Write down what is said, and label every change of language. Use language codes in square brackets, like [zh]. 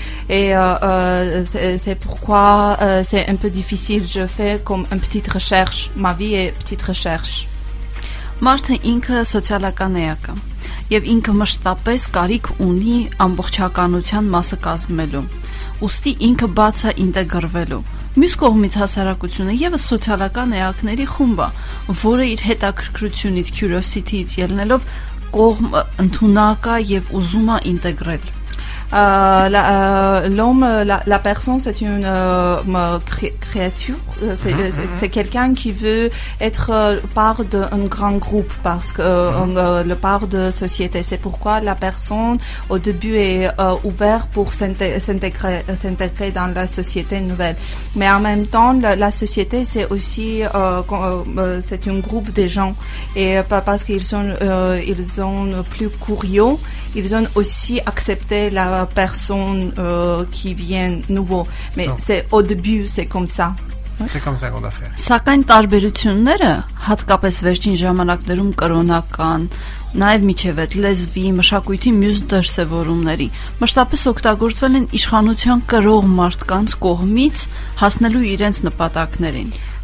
[fr] Et c'est pourquoi c'est un peu difficile. Je fais comme une petite recherche. Ma vie est une petite recherche. [hy] Մարդը ինքը սոցիալական էակ է, և ինքը մշտապես կարիք ունի ամբողջականության մասը կազմելու, ուստի ինքը բաց է ինտեգրվելու. Մյուս կողմից հասարակությունը ևս սոցիալական էակների խումբ է, որը իր հետաքրքրությունից, curiosity-ից ելնելով կողմ ընդունակ է և ուզում է ինտեգրել։ [fr] La personne, c'est une créature, c'est quelqu'un qui veut être part d'un grand groupe, parce que le part de société. C'est pourquoi la personne au début est ouverte pour s'intégrer dans la société nouvelle. Mais en même temps, la société, c'est aussi c'est un groupe des gens, et parce qu'ils sont plus curieux, ils ont aussi accepté la personne qui vient nouveau. Mais non, c'est au début, c'est comme ça. C'est comme ça qu'on a fait. [hy] Սակայն տարբերությունները, հատկապես վերջին ժամանակներում կրոնական, նաև միջև այդ լեզվի, մշակույթի մյուս դրսևորումների, մշտապես օգտագործվել են իշխանության կրող մարդկանց կողմից հասնելու իրենց նպատակներին.